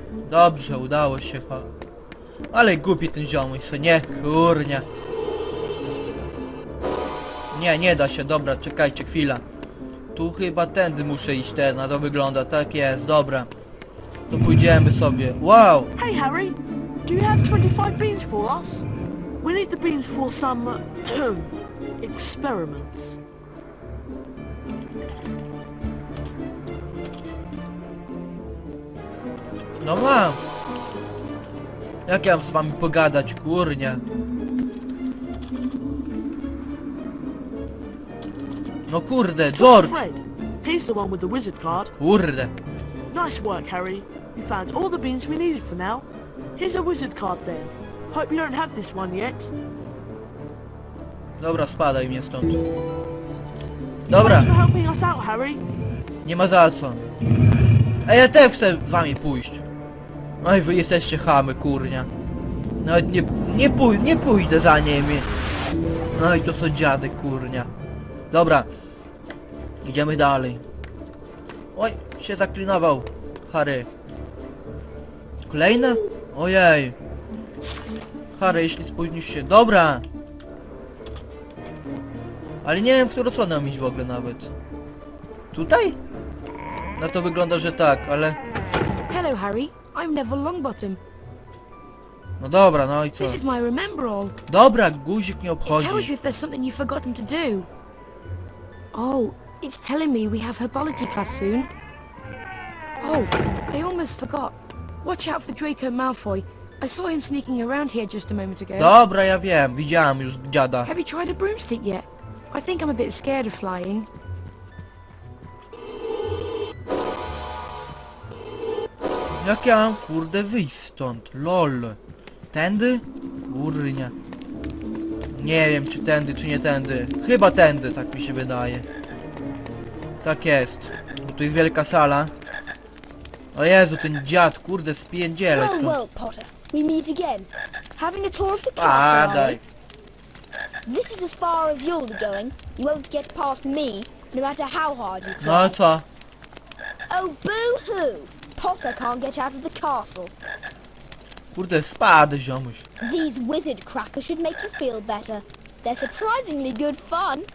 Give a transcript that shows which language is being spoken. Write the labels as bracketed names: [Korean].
[Polish] Dobrze, udało się. Ale głupi ten ziomuś, co nie? Kurnia. Nie da się, dobra, czekajcie, chwila. Tu chyba tędy muszę iść, ten, a to wygląda, tak jest, dobra. To pójdziemy sobie, wow! [English] Hey Harry, do you have 25 beans for us? We need the beans for some, experiments. [Polish] No mam! Jak ja mam z wami pogadać, kurnia? No kurde, George! He's the one with the wizard card. Kurde. [English] Nice work, Harry. You found all the beans we needed for now. Here's a wizard card then. Hope you don't have this one yet. [Polish] Dobra, spadaj mnie stąd. Dobra. [English] Thanks for helping us out, Harry. [Polish] Nie ma za co. A ja też chcę z wami pójść. No i wy jesteście chamy, kurnia. Nawet nie pójdę za nimi. No i to co dziady, kurnia. Dobra. Idziemy dalej. Oj, się zaklinował, Harry. Kolejne? Ojej. Harry, jeśli spóźnisz się. Dobra. Ale nie wiem, w którą stronę iść w ogóle nawet. Tutaj? Na to wygląda, że tak, ale... [English] Hello, Harry. I'm Neville Longbottom. [Polish] No dobra, no i co? [English] This is my remember all. [Polish] Dobra, guzik nie obchodzi. [English] It tells you if there's something you've forgotten to do. Oh, it's telling me we have herbology class soon. Oh, I almost forgot. Watch out for Draco Malfoy. I saw him sneaking around here just a moment ago. [Polish] Dobra, ja wiem. Widziałem już dziada. [English] Have you tried a broomstick yet? I think I'm a bit scared of flying. [Polish] Jak ja mam kurde wyjść stąd? Lol. Tędy? Kurnia. Nie wiem, czy tędy, czy nie tędy. Chyba tędy, tak mi się wydaje. Tak jest. Bo tu jest wielka sala. O Jezu, ten dziad, kurde, spiędzielę stąd. [English] Well, Potter. We meet again. Having a tour of the castle. This is as far as you'll be going. You won't get past me, no matter how hard you try. [Polish] No co? [English] Oh, boo-hoo! Potter can't get out of the castle. [Polish] Kurde, spadę, ziomuś. [English] These wizard crackers should make you feel better. They're surprisingly good fun.